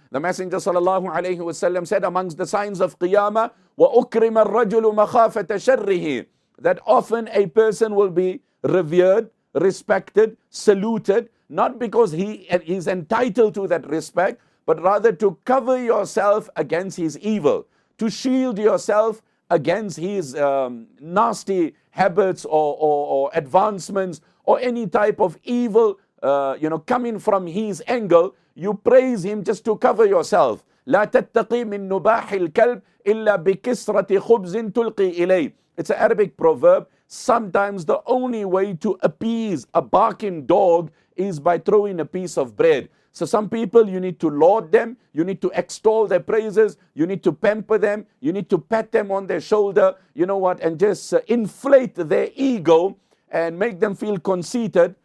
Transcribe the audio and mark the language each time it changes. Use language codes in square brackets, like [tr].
[en] The Messenger sallallahu alayhi wasallam said, amongst the signs of Qiyamah, [ar] وَأُكْرِمَ الرَّجُلُ مَخَافَةَ شَرِّهِ, [en] that often a person will be revered, respected, saluted, not because he is entitled to that respect, but rather to cover yourself against his evil, to shield yourself against his nasty habits or advancements or any type of evil coming from his angle. You praise him just to cover yourself. [ar] لا تتقي من نباح الكلب إلا بكسرة خبز تلقي إليه. [en] It's an Arabic proverb. Sometimes the only way to appease a barking dog is by throwing a piece of bread. So some people, you need to laud them, you need to extol their praises, you need to pamper them, you need to pat them on their shoulder, and just inflate their ego and make them feel conceited.